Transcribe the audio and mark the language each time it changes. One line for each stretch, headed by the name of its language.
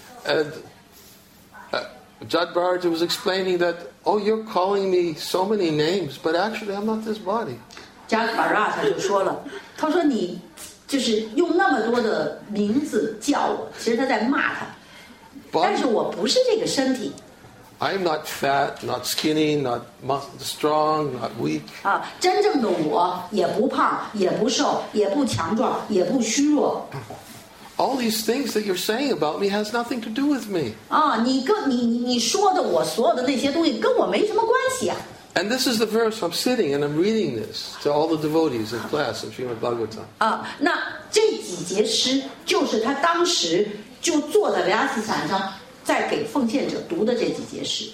English: And Jadbharata was explaining that, oh, you're calling me so many names, but actually I'm not this body.
Chinese: Jadbharata 就说了，他说你就是用那么多的名字叫我，其实他在骂他，但是我不是这个身体。
English: I'm not fat, not skinny, not strong, not weak.
Chinese: 真正的我也不胖，也不瘦，也不强壮，也不虚弱。
English: All these things that you're saying about me has nothing to do with me. And this is the verse I'm sitting and I'm reading this to all the devotees in class of Srimad Bhagavatam.